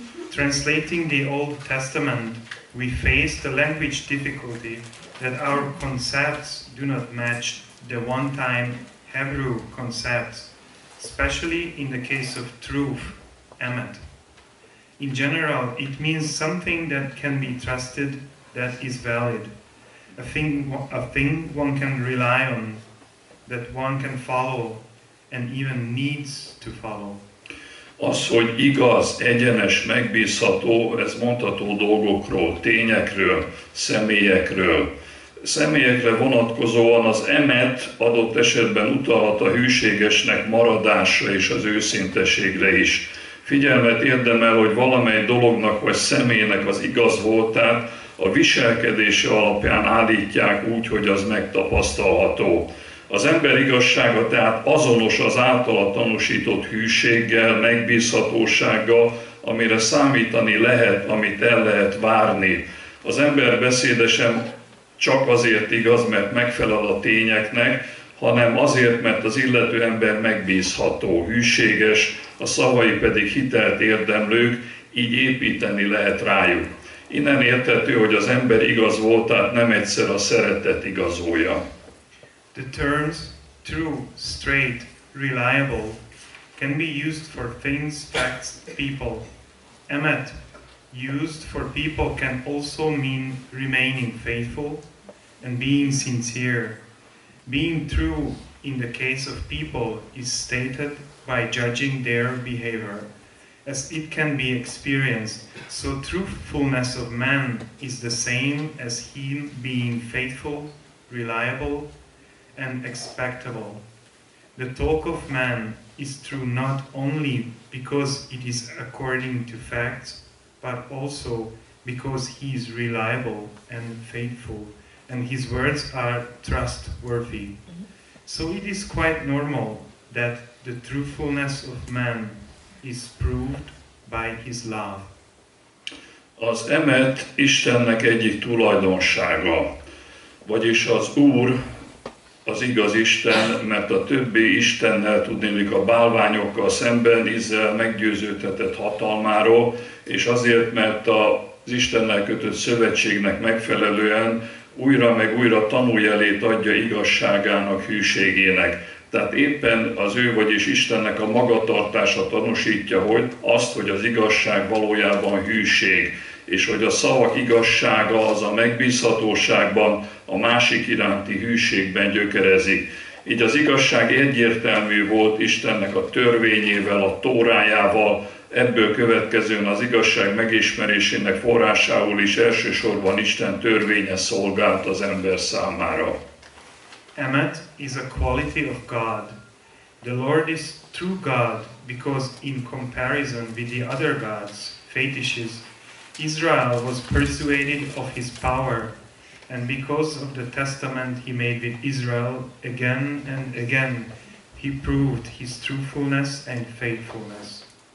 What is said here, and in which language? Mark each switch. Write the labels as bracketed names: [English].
[English] Translating the Old Testament, we face the language difficulty that our concepts do not match the one-time Hebrew concepts, especially in the case of truth, emet. In general, it means something that can be trusted, that is valid, a thing one can rely on, that one can follow, and even needs to follow. [Hungarian] Az, hogy igaz, egyenes, megbízható, ez mondható dolgokról, tényekről, személyekről. Személyekre vonatkozóan az emet adott esetben utalhat a hűségesnek maradásra és az őszinteségre is. Figyelmet érdemel, hogy valamely dolognak vagy személynek az igaz voltát a viselkedése alapján állítják úgy, hogy az megtapasztalható. Az ember igazsága tehát azonos az általa tanúsított hűséggel, megbízhatósággal, amire számítani lehet, amit el lehet várni. Az ember beszéde sem csak azért igaz, mert megfelel a tényeknek, hanem azért, mert az illető ember megbízható, hűséges, a szavai pedig hitelt érdemlők, így építeni lehet rájuk. Innen érthető, hogy az ember igaz volt, tehát nem egyszer a szeretet igazolja. [English] The terms true, straight, reliable can be used for things, facts, people. Emet, used for people, can also mean remaining faithful and being sincere. Being true in the case of people is stated by judging their behavior, as it can be experienced. So truthfulness of man is the same as him being faithful, reliable, and expectable. The talk of man is true not only because it is according to facts, but also because he is reliable and faithful, and his words are trustworthy. So it is quite normal that the truthfulness of man is proved by his love. [Hungarian] Az emet Istennek egyik tulajdonsága, vagyis az Úr, az igaz Isten, mert a többi Istennel, tudnélik a bálványokkal szemben, Izrael meggyőződhetett hatalmáról, és azért, mert az Istennel kötött szövetségnek megfelelően újra meg újra tanújelét adja igazságának, hűségének. Tehát éppen az ő, vagyis Istennek a magatartása tanúsítja, hogy azt, hogy az igazság valójában hűség, és hogy a szavak igazsága az a megbízhatóságban, a másik iránti hűségben gyökerezik. Így az igazság egyértelmű volt Istennek a törvényével, a tórájával, ebből következően az igazság megismerésének forrásául is elsősorban Isten törvénye szolgált az ember számára. [English] Emet is a quality of God. The Lord is true God because in comparison with the other gods, fetishes, Israel was persuaded of his power, and because of the testament he made with Israel again and again, he proved his truthfulness and faithfulness.